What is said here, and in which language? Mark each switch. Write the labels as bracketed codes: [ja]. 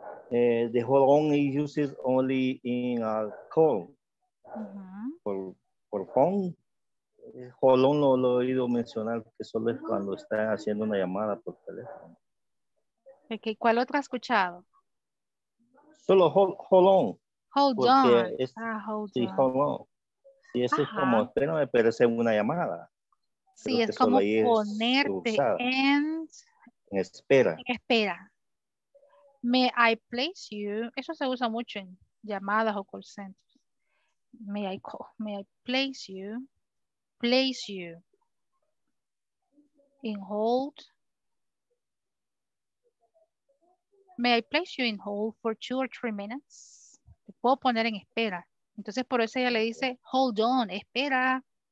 [en] The hold on is used only in a call. [es] Uh-huh. Por phone. Hold on lo he oído mencionar que solo es cuando está haciendo una llamada por teléfono. Okay, ¿cuál otra has escuchado? Solo hold on. [en] Hold on. Hold [es] sí, [en] on. Hold on. [es] Sí, eso es como, espérame, pero es una llamada. Sí, es como ponerte en espera. En espera. [en] May I place you? [es] Eso se usa mucho en llamadas o call centers. [en] May I place you? Place you in hold. May I place you in hold for 2 or 3 minutes? [es] Te puedo poner en espera. Entonces por eso ella le dice, hold on, espera.